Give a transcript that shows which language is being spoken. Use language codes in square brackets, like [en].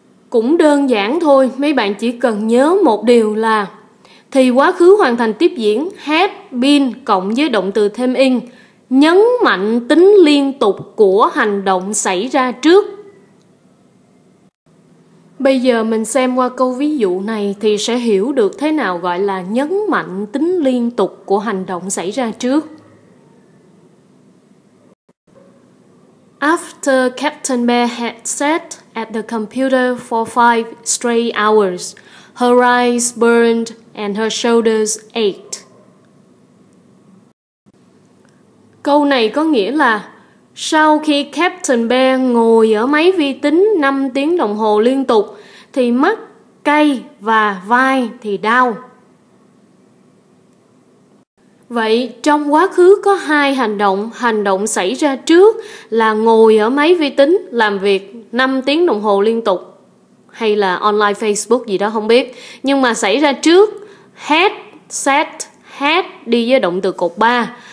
[vi] Cũng đơn giản thôi, mấy bạn chỉ cần nhớ một điều là thì quá khứ hoàn thành tiếp diễn had been cộng với động từ thêm in nhấn mạnh tính liên tục của hành động xảy ra trước. Bây giờ mình xem qua câu ví dụ này thì sẽ hiểu được thế nào gọi là nhấn mạnh tính liên tục của hành động xảy ra trước. [en] After Captain Bear had sat at the computer for 5 straight hours, her eyes burned and her shoulders ached. [vi] Câu này có nghĩa là sau khi Captain Bear ngồi ở máy vi tính 5 tiếng đồng hồ liên tục thì mắt cay và vai thì đau. Vậy trong quá khứ có hai hành động xảy ra trước là ngồi ở máy vi tính làm việc 5 tiếng đồng hồ liên tục hay là online Facebook gì đó không biết, nhưng mà xảy ra trước had, sat, had đi với động từ cột 3.